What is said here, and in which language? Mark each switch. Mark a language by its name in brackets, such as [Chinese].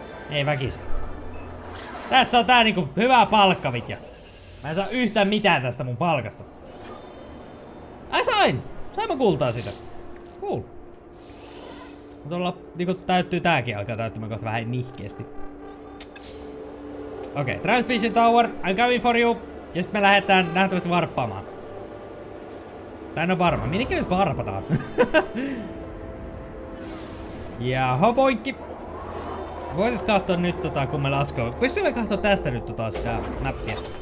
[Finnish] Ei väkisi. Tässä on tää niinku hyvä palkka, Vitja. Mä en saa yhtään mitään tästä mun palkasta. Sain mä kultaa sitä. Cool. Mut olla, niinku täyttyy tääkin, alkaa täyttämään kohta vähän nihkeesti. [English] Okei, okay, Transfusion Tower, I'm coming for you. [Finnish] Ja sit me lähdetään nähtävästi varppaamaan. Tää en oo varma. Minnekin me varpataan? Jaha, poikki. Voisis katsoa nyt tota, kun me laskemme. Pystyn me katsoa tästä nyt tota sitä mappia.